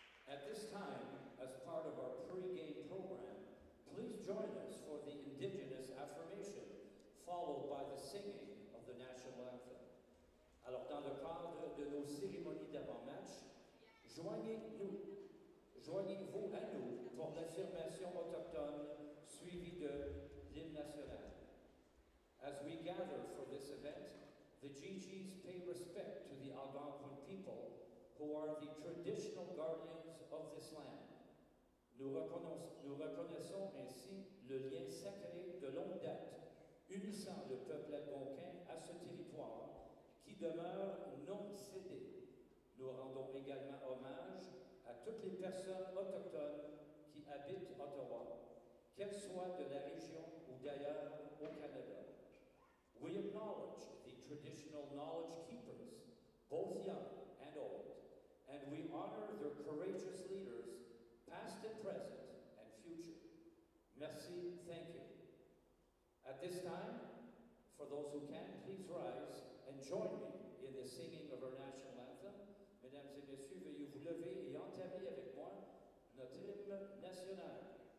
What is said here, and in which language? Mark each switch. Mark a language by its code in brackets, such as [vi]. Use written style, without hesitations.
[en] At this time, as part of our pre-game program, please join us for the Indigenous affirmation, followed by the singing of the national anthem. [fr] Alors, dans le cadre de nos cérémonies d'avant-match, joignez-vous à nous pour l'affirmation autochtone suivie de l'hymne national. [en] As we gather for this event, the GGs pay respect to the Algonquin people, who are the traditional guardians of this land. [fr] Nous reconnaissons ainsi le lien sacré de longue date unissant le peuple algonquin à ce territoire qui demeure non cédé. Nous rendons également hommage à toutes les personnes autochtones qui habitent Ottawa, qu'elles soient de la région ou d'ailleurs au Canada. [en] We acknowledge the traditional knowledge keepers, both young and old, and we honor their courageous leaders, past and present, and future. Merci, thank you. At this time, for those who can, please rise and join me in the singing of our national anthem. [fr] Mesdames et messieurs, veuillez vous lever et entamer avec moi notre hymne national.